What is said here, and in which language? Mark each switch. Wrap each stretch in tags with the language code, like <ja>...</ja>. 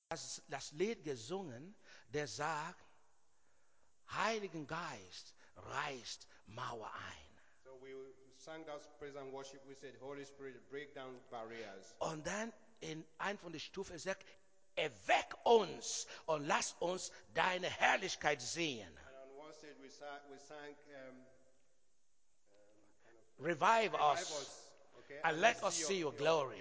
<de>das Lied gesungen, der sagt, Heiligen Geist, reißt Mauer ein.</de> <en>So we sang that praise and worship, we said, Holy Spirit, break down barriers.</en> <de>Und dann in einer von den Stufen sagt, erweck uns und lass uns deine Herrlichkeit sehen.</de> <en>And on one side we sang, revive us, okay, and let us see your glory.</en>